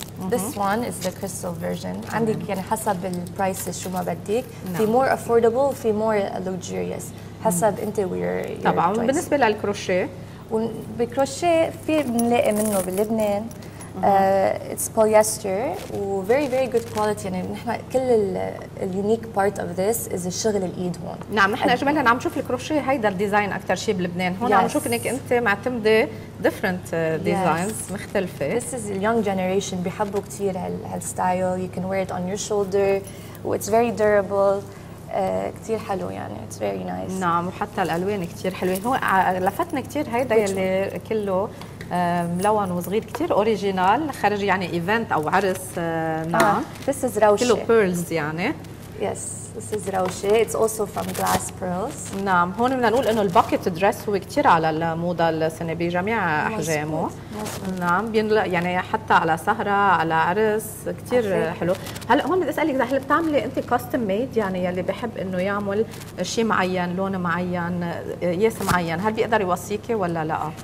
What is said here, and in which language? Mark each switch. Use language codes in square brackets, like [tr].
[en] This one is the crystal version. [ar] عندك يعني حسب البرايس شو ما بدك. في مور افوردبل وفي مور لوكجيريوس حسب انت وير. طبعا بالنسبه للكروشيه، بالكروشيه في بنلاقي منه بلبنان [en] it's polyester [ar] و [en] very very good quality. [ar] يعني نحن كل ال [en] unique part of this is [ar] الشغل الإيد هون. نعم، نحن أجمالا عم نشوف الكروشيه هيدا الديزاين أكتر شيء بلبنان. هون عم نشوف إنك أنت معتمدة different designs مختلفة. [en] This is the young generation [ar] بيحبوا كتير هالستايل. [en] You can wear it on your shoulder it's very durable. [ar] كتير حلو يعني [en] it's very nice. [ar] نعم، وحتى الألوان كتير حلوة. هو لفتنا كتير هيدا اللي كله ملون وصغير كتير اوريجينال، خارج يعني ايفنت او عرس. نعم [en] This is روشة [ar] كله بيرلز يعني [en] Yes, this is Rauche. It's also from Glass Pearls. [ar] نعم هون بدنا نقول انه الباكيت دريس هو كثير على الموضه السنه بجميع احجامه. نعم يعني حتى على سهره على عرس كثير حلو. هلا هون بدي اسالك اذا بتعملي انت كاستم ميد يعني يلي بحب انه يعمل شيء معين لون معين قياس معين هل بيقدر يوصيكي ولا لا؟